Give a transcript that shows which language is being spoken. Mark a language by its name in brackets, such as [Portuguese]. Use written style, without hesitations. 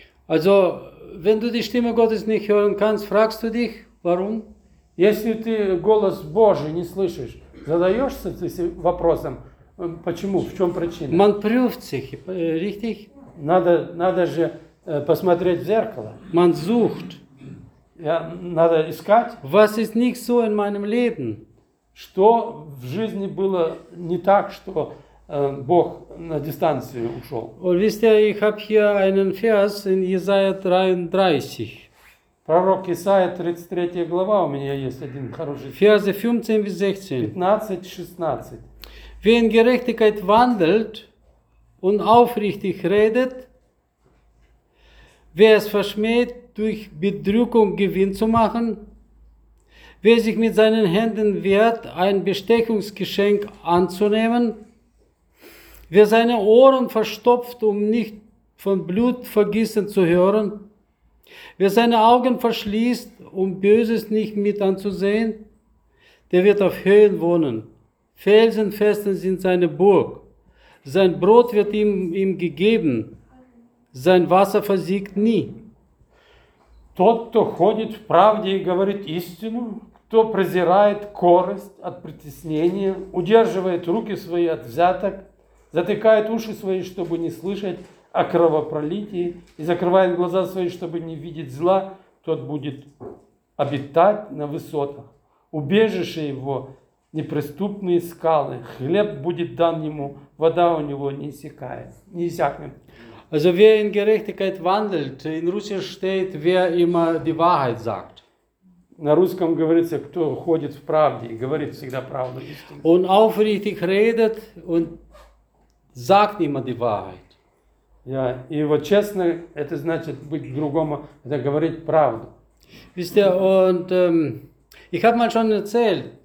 [German] Also, wenn du die Stimme Gottes nicht hören kannst, fragst du dich, warum? [Russian] Если ты голос Божий не слышишь, задаешься ты вопросом, почему, в чем причина? [German] Man prüft sich, richtig? [Russian] Надо же посмотреть в зеркало. [German] Man sucht. [Russian] Ja, надо искать. [German] Was ist nicht so in meinem Leben? [Russian] Что в жизни было не так, что Бог на дистанцию ушел? [German] Und wisst ihr, ich habe hier einen Vers in Jesaja 33. [Russian] Пророк Исаия, 33 глава, у меня есть один хороший. [German] Verse 15 bis 16. [Russian] 15, 16. [German] Wer in Gerechtigkeit wandelt und aufrichtig redet, wer es verschmäht, durch Bedrückung Gewinn zu machen, wer sich mit seinen Händen wehrt, ein Bestechungsgeschenk anzunehmen, wer seine Ohren verstopft, um nicht von Blutvergießen zu hören, Wer seine Augen verschließt, um Böses nicht mit anzusehen, der wird auf Höhen wohnen. Felsenfesten sind seine Burg. Sein Brot wird ihm gegeben. Sein Wasser versiegt nie. [Russian] Тот, кто ходит в правде и говорит истину, кто презирает корость от притеснения, удерживает руки свои от взяток, затыкает уши свои, чтобы не слышать о кровопролитии, и закрывает глаза свои, чтобы не видеть зла, тот будет обитать на высотах. Убежище его – неприступные скалы, хлеб будет дан ему, вода у него не иссякнет. [German] Also wer in Gerechtigkeit wandelt, in Russisch steht, wer immer die Wahrheit sagt. [Russian] На русском говорится, кто ходит в правде и говорит всегда правду. Он [German] aufrichtig redet und sagt immer die Wahrheit. [Russian] Ja, и вот честно, это значит быть другому, это говорить правду. [German] Wisst ihr, und ich habe mal schon erzählt.